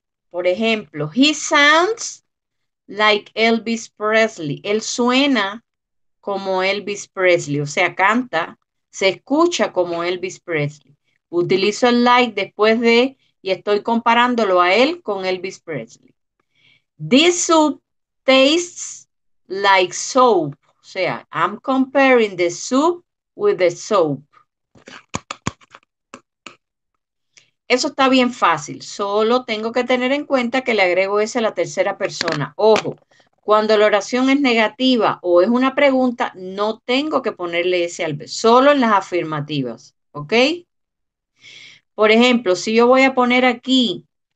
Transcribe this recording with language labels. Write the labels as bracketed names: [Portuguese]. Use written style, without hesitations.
[Spanish] Por ejemplo, [English] he sounds like Elvis Presley. [Spanish] Él suena como Elvis Presley. O sea, canta, se escucha como Elvis Presley. Utilizo el like después de y estoy comparándolo a él con Elvis Presley. [English] This soup tastes like soap. [Spanish] O sea, [English] I'm comparing the soup with the soap. [Spanish] Eso está bien fácil. Solo tengo que tener en cuenta que le agrego ese a la tercera persona. Ojo, cuando la oración es negativa o es una pregunta, no tengo que ponerle ese al verbo. Solo en las afirmativas. ¿Ok? Por ejemplo, si yo voy a poner aquí.